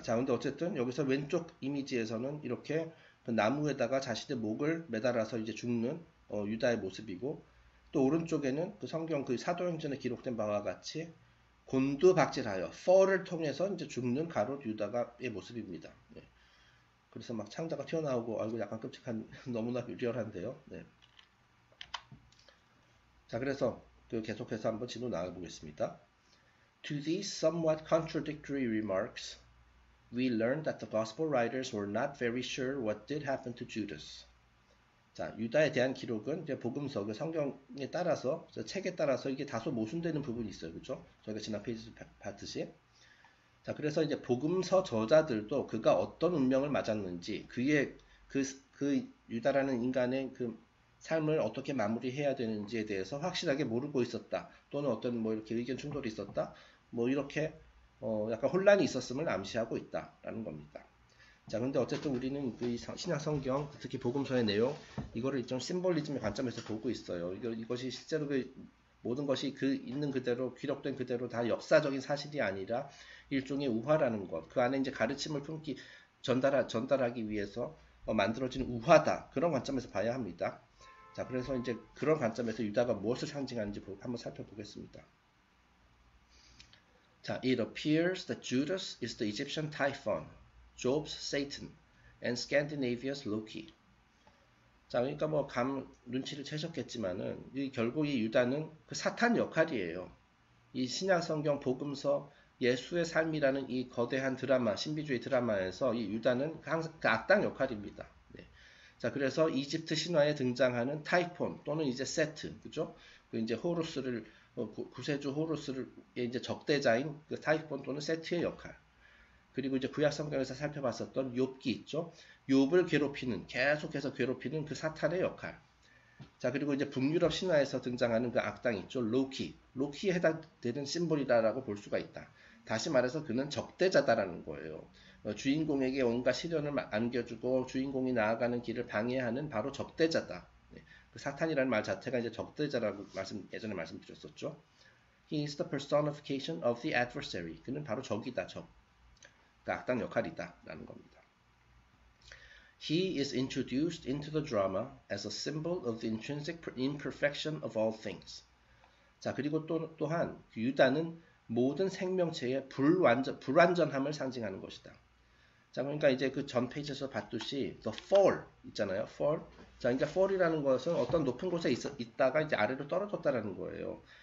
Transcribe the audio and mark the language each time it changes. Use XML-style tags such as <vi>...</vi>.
<ko>자, 근데 어쨌든 여기서 왼쪽 이미지에서는 이렇게 그 나무에다가 자신의 목을 매달아서 이제 죽는 유다의 모습이고, 또 오른쪽에는 그 성경 그 사도행전에 기록된 바와 같이 곤두박질하여 펄을 통해서 이제 죽는 가롯 유다가의 모습입니다. 네. 그래서 막 창자가 튀어나오고 아이고 약간 끔찍한 너무나 리얼한데요. 네. 자, 그래서 그 계속해서 한번 진도 나가 보겠습니다.</ko> <en>To these somewhat contradictory remarks, we learn that the gospel writers were not very sure what did happen to Judas.</en> <ko>자, 유다에 대한 기록은 이제 복음서, 그 성경에 따라서, 책에 따라서 이게 다소 모순되는 부분이 있어요. 그렇죠? 저희가 지난 페이지 봤듯이. 자, 그래서 이제 복음서 저자들도 그가 어떤 운명을 맞았는지, 그의 그 유다라는 인간의 그 삶을 어떻게 마무리해야 되는지에 대해서 확실하게 모르고 있었다. 또는 어떤 뭐 이렇게 의견 충돌이 있었다. 뭐 이렇게 약간 혼란이 있었음을 암시하고 있다라는 겁니다. 자, 근데 어쨌든 우리는 그 신약 성경, 특히 복음서의 내용, 이거를 좀 심볼리즘의 관점에서 보고 있어요. 이것이 실제로 그 모든 것이 그 있는 그대로, 기록된 그대로 다 역사적인 사실이 아니라 일종의 우화라는 것. 그 안에 이제 가르침을 품기, 전달하기 위해서 만들어진 우화다. 그런 관점에서 봐야 합니다. 자, 그래서 이제 그런 관점에서 유다가 무엇을 상징하는지 한번 살펴보겠습니다.</ko> <en>자, It appears that Judas is the Egyptian Typhon, Job's Satan, and Scandinavia's Loki.</en> <ko>자, 그러니까 뭐, 눈치를 채셨겠지만은, 결국 이 유다는 그 사탄 역할이에요. 이 신약 성경 복음서 예수의 삶이라는 이 거대한 드라마, 신비주의 드라마에서 이 유다는 항상 그 악당 역할입니다. 자, 그래서 이집트 신화에 등장하는 타이폰 또는 이제 세트, 그죠? 그 이제 호루스를, 구세주 호루스를, 이제 적대자인 그 타이폰 또는 세트의 역할. 그리고 이제 구약 성경에서 살펴봤었던 욥기 있죠? 욥을 괴롭히는, 계속해서 괴롭히는 그 사탄의 역할. 자, 그리고 이제 북유럽 신화에서 등장하는 그 악당 있죠? 로키. 로키에 해당되는 심볼이다라고 볼 수가 있다. 다시 말해서 그는 적대자다라는 거예요. 주인공에게 온갖 시련을 안겨주고 주인공이 나아가는 길을 방해하는 바로 적대자다. 그 사탄이라는 말 자체가 이제 적대자라고 예전에 말씀드렸었죠.</ko> <en>He is the personification of the adversary.</en> <ko>그는 바로 적이다, 적. 그 악당 역할이다라는 겁니다.</ko> <en>He is introduced into the drama as a symbol of the intrinsic imperfection of all things.</en> <ko>자, 그리고 또한 유다는 모든 생명체의 불완전함을 상징하는 것이다. 자, 그러니까 이제 그전 페이지에서 봤듯이, the fall 있잖아요, fall. 자, 그러니까 fall이라는 것은 어떤 높은 곳에 있다가 이제 아래로 떨어졌다라는 거예요.</ko>